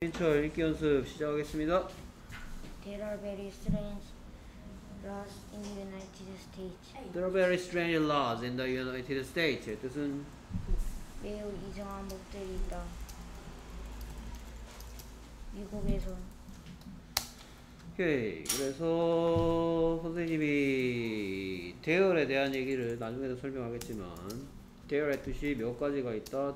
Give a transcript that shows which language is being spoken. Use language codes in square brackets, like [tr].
[ko] 인철 읽기 연습 시작하겠습니다. [en] There are very strange laws in the United States. There are very strange laws in the United States. [ko] 뜻은 매우 이상한 법들이 있다. 미국에서. [en] Okay. [ko] 그래서 선생님이 대열에 대한 얘기를 나중에도 설명하겠지만 대열의 뜻이 몇 가지가 있다?